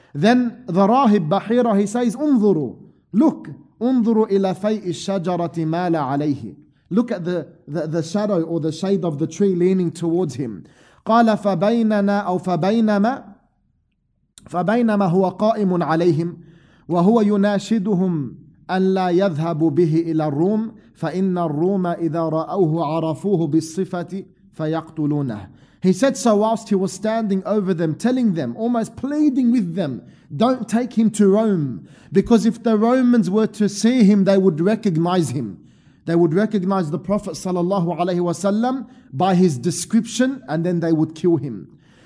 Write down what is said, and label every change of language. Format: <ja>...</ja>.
<en>Then the Rahib Bahira, he says,</en> <ar>انظروا,</ar> <en>look,</en> <ar>انظروا إلى فيء الشجرة مال عليه.</ar> <en>Look at the shadow or the shade of the tree leaning towards him.</en> <ar>قال فبيننا أو فبينما هو قائم عليهم وهو يناشدهم أن لا يذهب به إلى الروم فإن الروم إذا رأوه عرفوه بالصفة فيقتلونه.</ar> <en>He said, so whilst he was standing over them, telling them, almost pleading with them, don't take him to Rome. Because if the Romans were to see him, they would recognize him. They would recognize the Prophet sallallahu alaihi wasallam by his description, and then they would kill him.</en>